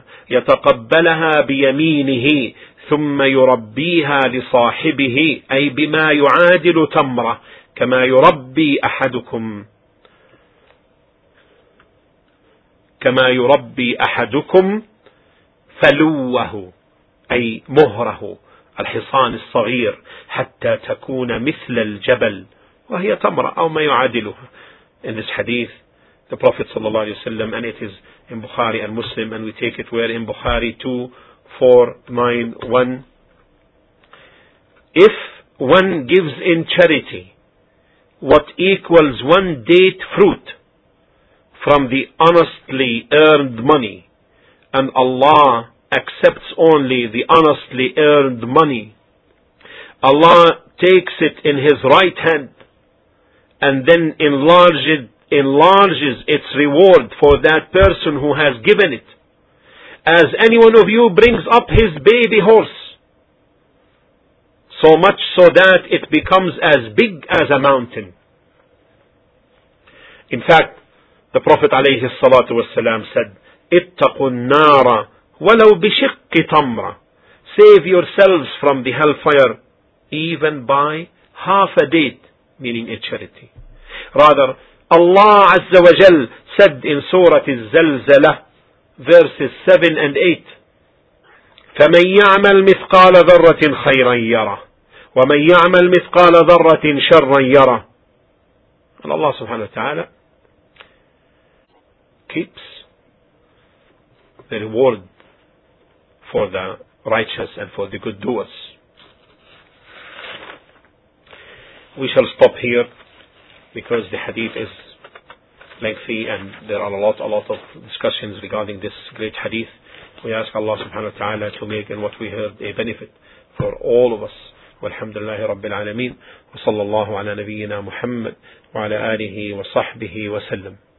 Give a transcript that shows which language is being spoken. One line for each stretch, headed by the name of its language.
Arabic: يتقبلها بيمينه ثم يربيها لصاحبه أي بما يعادل تمرة كما يربي أحدكم كما يربي أحدكم فلوه أي مهره الحصان الصغير حتى تكون مثل الجبل وهي تمرة أو ما يعادلها.
English: In this hadith, the Prophet sallallahu alayhi wa sallam, and it is in Bukhari and Muslim, and we take it where in Bukhari 2491, if one gives in charity what equals one date fruit from the honestly earned money, and Allah accepts only the honestly earned money, Allah takes it in His right hand and then enlarges its reward for that person who has given it, as any one of you brings up his baby horse, so much so that it becomes as big as a mountain. In fact, the Prophet
Arabic: عليه الصلاة والسلام said, اتقوا النار ولو بشق تمرة.
English: Save yourselves from the hellfire even by half a date, meaning a charity.
Arabic: Rather, Allah عز وجل
English: said in Surah
Arabic: الزلزلة,
English: verses 7 and 8,
Arabic: فَمَنْ يَعْمَلْ مِثْقَالَ ذَرَّةٍ خَيْرًا يَرَى وَمَنْ يَعْمَلْ مِثْقَالَ ذَرَّةٍ شَرًّا يَرَى.
English: And Allah subhanahu wa ta'ala keeps the reward for the righteous and for the good doers. We shall stop here because the hadith is lengthy and there are a lot of discussions regarding this great hadith. We ask Allah subhanahu wa ta'ala to make in what we heard a benefit for all of us.
Arabic: والحمد لله رب العالمين وصلى الله على نبينا محمد وعلى آله وصحبه وسلم.